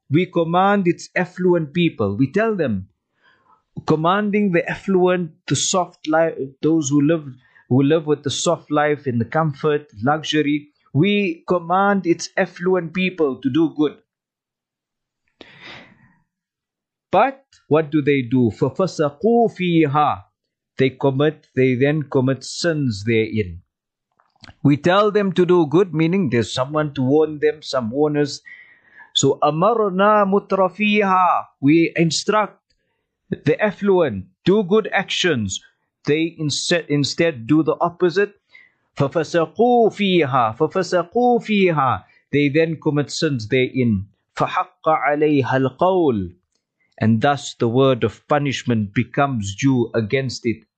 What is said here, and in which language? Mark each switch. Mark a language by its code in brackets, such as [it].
[en] We command its affluent people. We tell them, commanding the affluent, the soft life, those who live with the soft life in the comfort, luxury, we command its affluent people to do good. But what do they do? [ar] فَفَسَقُوا فِيهَا. [en] They then commit sins therein. We tell them to do good, meaning there's someone to warn them, some warners. [ar] So أَمَرْنَا مُتْرَفِيهَا. [en] We instruct the affluent, do good actions. They instead do the opposite. [ar] فَفَسَقُوا فِيهَا فَفَسَقُوا فِيهَا. [en] They then commit sins therein. [ar] فَحَقَّ عَلَيْهَا الْقَوْلِ. [en] And thus the word of punishment becomes due against it.